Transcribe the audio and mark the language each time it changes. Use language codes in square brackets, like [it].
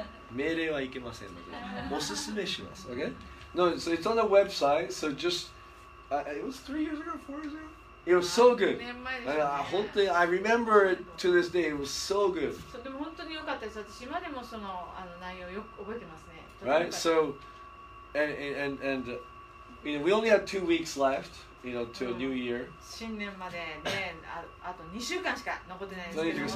[ja] 命令はいけませんので、おすすめします。 [en] Okay? No, so it's on the website. So just, it was 3 years ago, 4 years ago. It was so good. [ja] 年前でしたね。 [en] I remember it to this day. It was so good. [ja] でも本当に良かったです。私今でもその内容をよく覚えてますね。 [en] Right? So, and you know, we only have 2 weeks left. You know, to a new year. [ja] 新年までね、あと2週間しか残ってないです